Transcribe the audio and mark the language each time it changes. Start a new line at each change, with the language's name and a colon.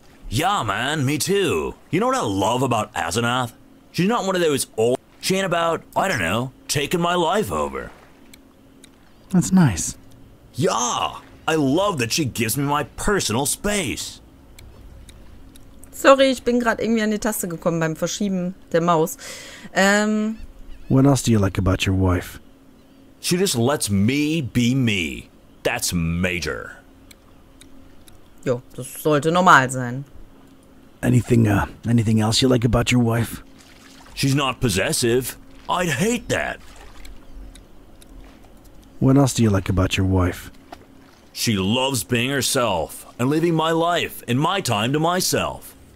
English: Yeah, man, me too. You know what I love about Azanath? She's not one of those old... She ain't about, I don't know, taking my life over. That's nice. Yeah! I love that she gives me my personal space.
German: Sorry, ich bin gerade irgendwie an die Taste gekommen beim Verschieben der Maus.
English: What else do you like about your wife? She just lets me be me. That's major.
German: Jo, das sollte normal sein.
English: Anything else you like about your wife? She's not possessive. I'd hate that. What else do you like about your wife? She loves being herself and living my life and my time to myself.